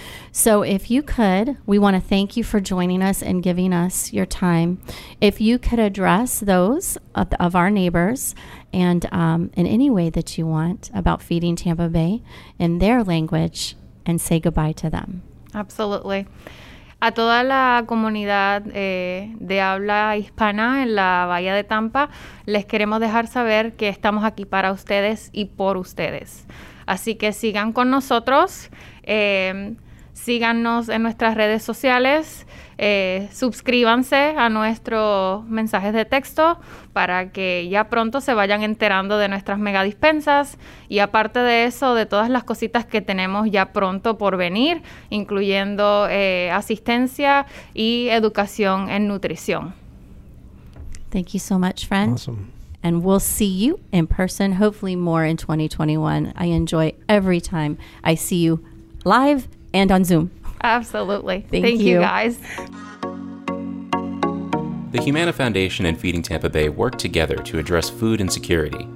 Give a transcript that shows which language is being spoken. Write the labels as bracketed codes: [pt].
[en] So if you could, we want to thank you for joining us and giving us your time. If you could address those of our neighbors and in any way that you want about Feeding Tampa Bay in their language and say goodbye to them. Absolutely. [es] A toda la comunidad de habla hispana en la Bahía de Tampa, les queremos dejar saber que estamos aquí para ustedes y por ustedes. Así que sigan con nosotros. Síganos en nuestras redes sociales, suscríbanse a nuestros mensajes de texto para que ya pronto se vayan enterando de nuestras mega dispensas y aparte de eso, de todas las cositas que tenemos ya pronto por venir, incluyendo asistencia y educación en nutrición. [en] Thank you so much, friend. Awesome. And we'll see you in person, hopefully more in 2021. I enjoy every time I see you live and on Zoom. Absolutely. Thank you, guys. The Humana Foundation and Feeding Tampa Bay work together to address food insecurity.